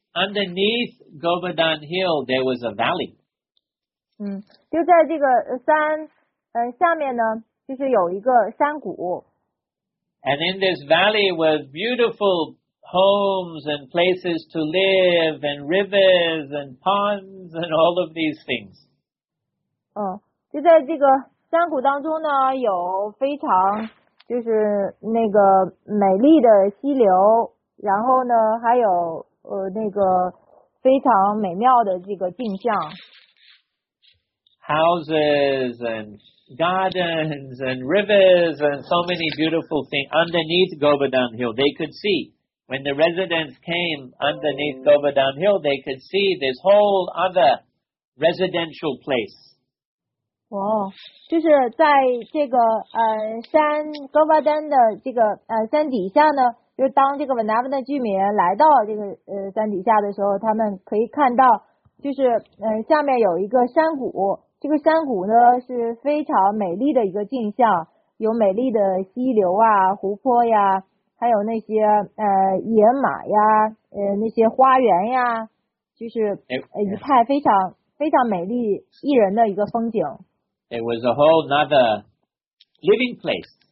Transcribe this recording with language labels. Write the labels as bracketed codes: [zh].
[en] Underneath Govardhan Hill, there was a valley. [zh] 就在这个山，下面呢，就是有一个山谷。 [en] And in this valley was beautiful homes and places to live and rivers and ponds and all of these things. [zh] 就在这个山谷当中呢，有非常就是那个美丽的溪流，然后呢，还有。那个非常美妙的这个景象 [en] ，houses and gardens and rivers and so many beautiful things underneath Govardhan Hill. They could see when the residents came underneath Govardhan Hill. They could see this whole other residential place. [zh] 哇，就是在这个山 Govardhan 的这个山底下呢。就当这个 Vrindavan 的居民来到这个山底下的时候，他们可以看到，就是下面有一个山谷，这个山谷呢是非常美丽的一个景象，有美丽的溪流啊、湖泊呀，还有那些野马呀、那些花园呀，就是一派非常非常美丽宜人的一个风景。 [en] It was a whole other living place.